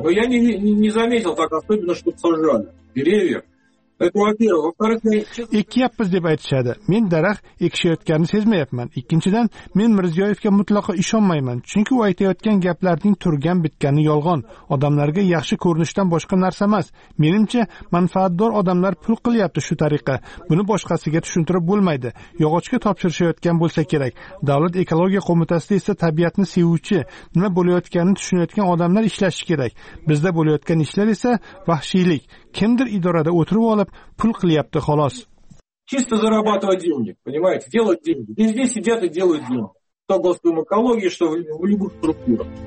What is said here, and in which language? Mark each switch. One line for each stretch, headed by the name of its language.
Russian: Но я не заметил так особенно, что сажали деревья.
Uzbek: Ekyapmiz deb aytishadi. Men daraxt ekishayotganini sezmayapman. Ikkinchidan, men Mirziyoyevga mutlaqo ishonmayman, chunki u aytayotgan gaplarning turgan bitgani yolg'on. Odamlarga yaxshi ko'rinishdan boshqa narsa emas. Menimcha, manfaatdor odamlar pul qilyapti shu tariqa. Buni boshqasiga tushuntirib bo'lmaydi. Yog'ochga topshirishayotgan bo'lsa kerak. Davlat ekologiya qo'mitasida esa tabiatni sevuvchi, nima bo'layotganini tushunayotgan odamlar ishlashi kerak. Bizda bo'layotgan ishlar esa vahshiylik. Kimdir idorada o'tirib olib pul qilyapti xolos.
Russian: Чисто зарабатывать деньги, понимаете? Делать деньги. Здесь сидят и делают деньги. То господин экологии, что в любых структурах.